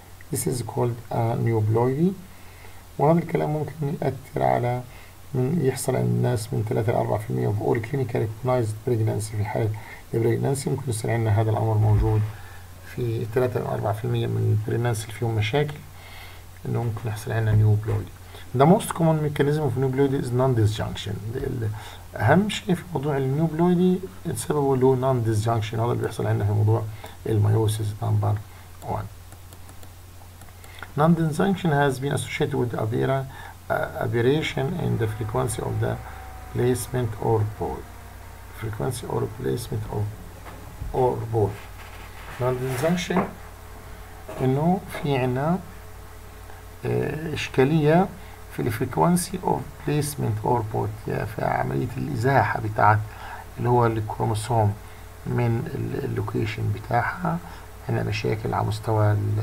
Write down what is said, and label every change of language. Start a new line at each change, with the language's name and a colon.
English: This is called a aneuploidy.
Arabic: وهذا الكلام ممكن يأثر على من يحصل عند الناس من
English: 3-4% of all clinical recognized pregnancy.
Arabic: في حالة pregnancy ممكن يصير عندنا هذا الأمر موجود في 3-4% من pregnancy اللي فيهم مشاكل، إنه ممكن يحصل عندنا aneuploidy.
English: The most common mechanism of aneuploidy is non-disjunction.
Arabic: أهم شيء في موضوع النيوبلويدي سببه اللي هو نون ديسجنكشن، هذا اللي بيحصل عندنا في موضوع الميوسيس نمبر 1.
English: Non disjunction has been associated with aberration in the frequency of the placement or pole. Frequency or placement or pole.
Arabic: نون ديسجنكشن انه في عندنا إشكالية في الفريكوانسي اوف بليسمنت اور بوت، في عمليه الازاحه بتاعه اللي هو الكروموسوم من اللوكيشن بتاعها، عندنا مشاكل على مستوى